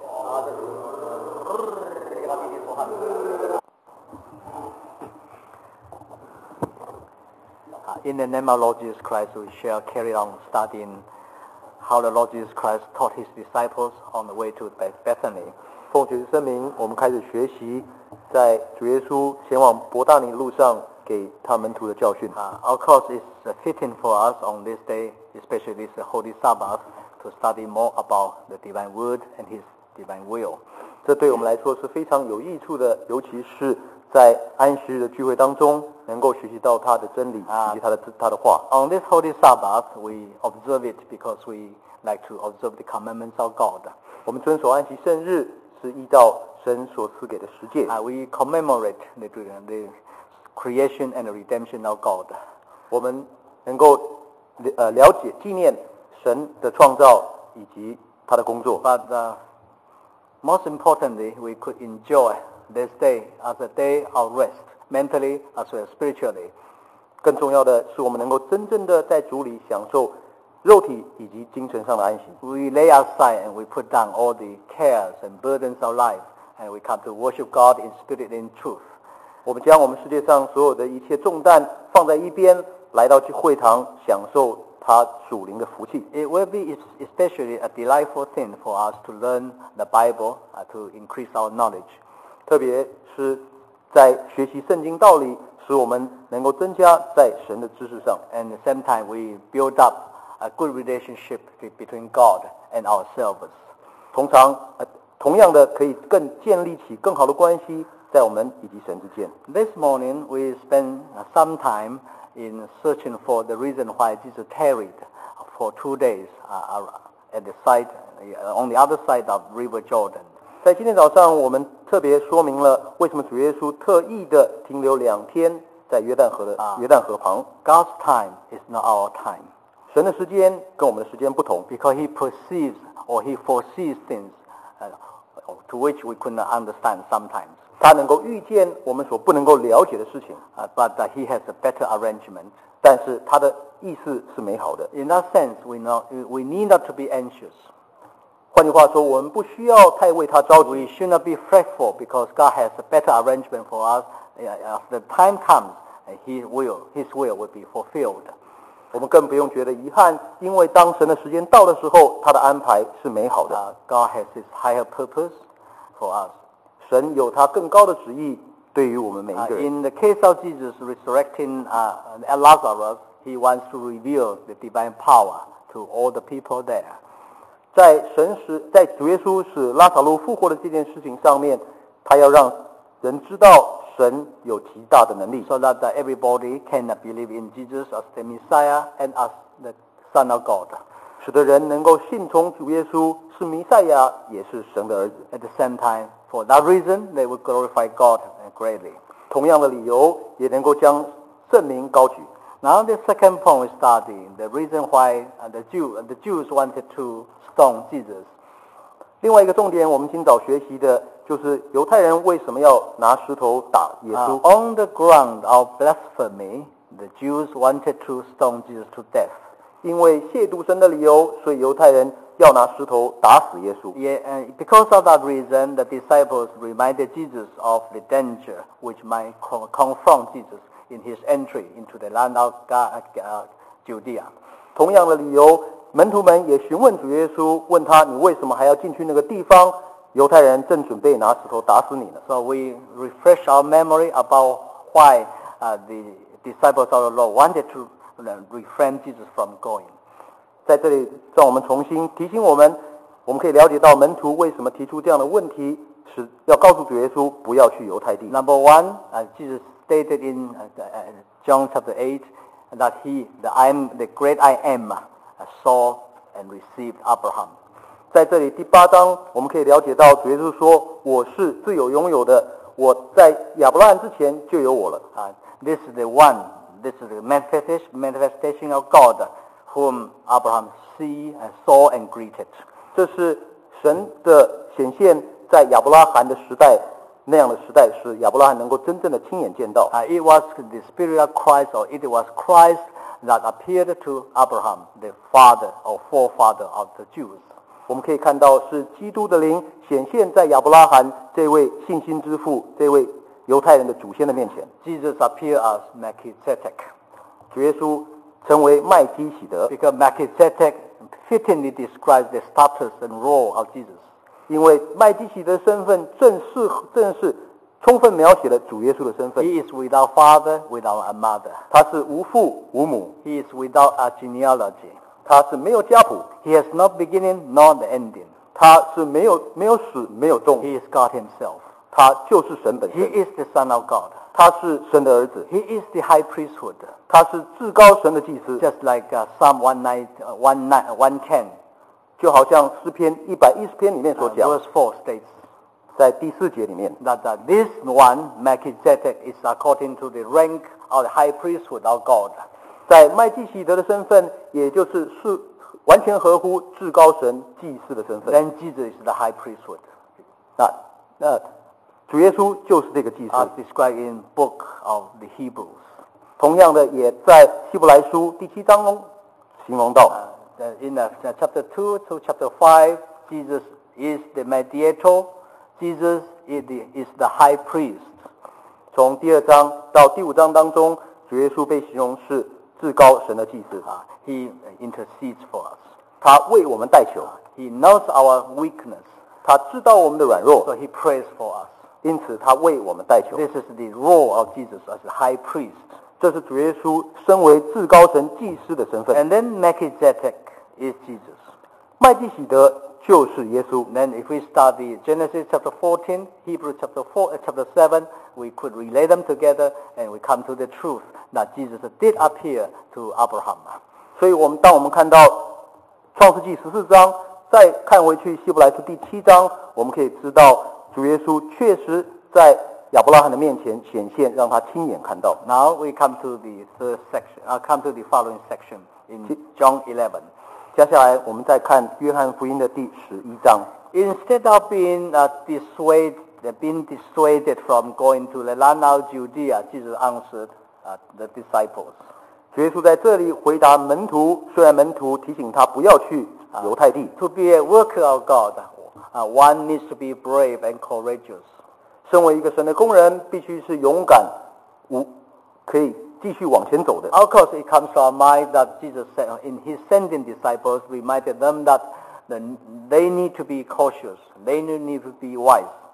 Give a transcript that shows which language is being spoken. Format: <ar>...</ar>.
<en>to our Lord. In the name of Lord Jesus Christ, we shall carry on studying how the Lord Jesus Christ taught His disciples on the way to Bethany.</en> <zh>奉主耶稣圣名，我们开始学习在主耶稣前往伯大尼路上给他门徒的教训。</zh> <en>Of course, it's fitting for us on this day, especially this Holy Sabbath, to study more about the Divine Word and His Divine Will.</en> <zh>这对我们来说是非常有益处的，尤其是在安息日的聚会当中，能够学习到他的真理以及他的话。</zh> <en>On this Holy Sabbath, we observe it because we like to observe the commandments of God.</en> <zh>我们遵守安息圣日。是依照神所赐给的实践。</zh> <en>We commemorate the creation and the redemption of God.</en> <zh>我们能够了解纪念神的创造以及他的工作。</zh> <en>But most importantly, we could enjoy this day as a day of rest, mentally as well as spiritually.</en> <zh>更重要的是，我们能够真正的在主里享受肉体以及精神上的安息。</zh> <en>We lay aside and we put down all the cares and burdens of life, and we come to worship God in spirit and truth.</en> <zh>我们将我们世界上所有的一切重担放在一边，来到去会堂，享受他属灵的福气。</zh> <en>It will be especially a delightful thing for us to learn the Bible, to increase our knowledge.</en> <zh>特别是在学习圣经道理，使我们能够增加在神的知识上。</zh> <en>And at the same time, we build up a good relationship between God and ourselves.</en> <zh>同样的，可以更建立起更好的关系在我们以及神之间。</zh> <en>This morning, we spend some time in searching for the reason why Jesus tarried for 2 days at the site on the other side of River Jordan.</en> <zh>在今天早上，我们特别说明了为什么主耶稣特意的停留两天在约旦河旁。</zh> <en>God's time is not our time.</en> <zh>神的时间跟我们的时间不同。</zh> <en>Because He perceives or He foresees things to which we could not understand sometimes.</en> <zh>他能够预见我们所不能够了解的事情。</zh> <en>But He has a better arrangement.</en> <zh>但是他的意思是美好的。</zh> <en>In that sense, we need not to be anxious.</en> <zh>换句话说，我们不需要太为他着急。</zh> <en>We should not be fretful because God has a better arrangement for us. As the time comes, His will will be fulfilled.</en> <zh>我们更不用觉得遗憾，因为当神的时间到的时候，他的安排是美好的。</zh> <en>God has His higher purpose for us.</en> <zh>神有他更高的旨意对于我们每一个人。</zh> <en>In the case of Jesus resurrecting Lazarus, He wants to reveal the divine power to all the people there.</en> <zh>在主耶稣使拉撒路复活的这件事情上面，他要让人知道神有极大的能力。</zh> <en>So that everybody can believe in Jesus as the Messiah and as the Son of God.</en> <zh>使得人能够信从主耶稣是弥赛亚，也是神的儿子。</zh> <en>At the same time, for that reason, they will glorify God greatly.</en> <zh>同样的理由也能够将圣灵高举。</zh> <en>Now the second point we study, the reason why the Jews wanted to stone Jesus.</en> <zh>另外一个重点我们今早学习的就是犹太人为什么要拿石头打耶稣。</zh> <en>On the ground of blasphemy, the Jews wanted to stone Jesus to death.</en> <zh>因为亵渎神的理由，所以犹太人要拿石头打死耶稣。</zh> <en>Because of that reason, the disciples reminded Jesus of the danger which might confront Jesus. In his entry into the land of Judea.</en> <zh>同样的理由，门徒们也询问主耶稣，问他你为什么还要进去那个地方？犹太人正准备拿石头打死你呢。</zh> <en>So we refresh our memory about why the disciples of the Lord wanted to refrain Jesus from going.</en> <zh>在这里，让我们重新提醒我们，我们可以了解到门徒为什么提出这样的问题，是要告诉主耶稣不要去犹太地。</zh> <en>Number one, Jesus. Stated in John chapter 8 that the great I am saw and received Abraham.</en> <zh>在这里第八章我们可以了解到主耶稣说我是自有拥有的，我在亚伯拉罕之前就有我了。</zh> <en>This is the manifestation of God whom Abraham saw and greeted.</en> <zh>这是神的显现在亚伯拉罕的时代，那样的时代是亚伯拉罕能够真正的亲眼见到。</zh> <en>It was the spirit of Christ, or it was Christ that appeared to Abraham, the father or forefather of the Jews.</en> <zh>我们可以看到是基督的灵显现在亚伯拉罕这位信心之父，这位犹太人的祖先的面前。</zh> <en>Jesus appeared as Melchizedek.</en> <zh>主耶稣成为麦基洗德。</zh> <en>Because Melchizedek fittingly describes the status and role of Jesus.</en> <zh>因为麦基洗德的身份正是充分描写了主耶稣的身份。</zh> <en>He is without father, without a mother.</en> <zh>他是无父无母。</zh> <en>He is without a genealogy.</en> <zh>他是没有家谱。</zh> <en>He has no beginning, nor the ending.</en> <zh>他是没有始没有终。</zh> <en>He is God himself.</en> <zh>他就是神本身。</zh> <en>He is the Son of God.</en> <zh>他是神的儿子。</zh> <en>He is the high priesthood.</en> <zh>他是至高神的祭司。</zh> <en>Just like Psalm 110.</en> <zh>就好像诗篇110篇里面所讲</zh> <en>，verse 4 states,</en> <zh>在第四节里面</zh> <en>that this one, Melchizedek, is according to the rank of the high priesthood of God.</en> <zh>在麦基洗德的身份，也就是完全合乎至高神祭司的身份。</zh> <en>Then Jesus is the high priesthood.</en> <zh>那主耶稣就是这个祭司。</zh> <en>Described in book of the Hebrews.</en> <zh>同样的，也在希伯来书第七章中形容到。</zh> <en>In chapter 2 to chapter 5, Jesus is the mediator. Jesus is the high priest.</en> <zh>从第二章到第五章当中，主耶稣被形容是至高神的祭司。</zh> <en>He intercedes for us.</en> <zh>他为我们代求。</zh> <en>He knows our weakness.</en> <zh>他知道我们的软弱。</zh> <en>So he prays for us.</en> <zh>因此他为我们代求。</zh> <en>This is the role of Jesus as high priest.</en> <zh>这是主耶稣身为至高神祭司的身份。</zh> <en>And then Melchizedek is Jesus.</en> <zh>麦基洗德就是耶稣。</zh> <en>Then if we study Genesis chapter 14, Hebrews chapter 4, chapter 7, we could relay them together and we come to the truth that Jesus did appear to Abraham.</en> <zh>所以我们当我们看到创世纪十四章，再看回去希伯来书第七章，我们可以知道主耶稣确实在亚伯拉罕的面前显现，让他亲眼看到。</zh> <en>Now we come to the third section. Come to the following section in John 11.</en> <zh>接下来我们再看约翰福音的第十一章。</zh> <en>Instead of being dissuaded from going to the land of Judea, Jesus answered the disciples.</en> <zh>主耶稣在这里回答门徒，虽然门徒提醒他不要去犹太地。</zh> <en>To be a worker of God. One needs to be brave and courageous.</en> <zh>身为一个神的工人，必须是勇敢，可以继续往前走的。</zh> <en>Of course, it comes to our mind that Jesus said in his sending disciples, reminded them that they need to be cautious, they need to be wise.</en>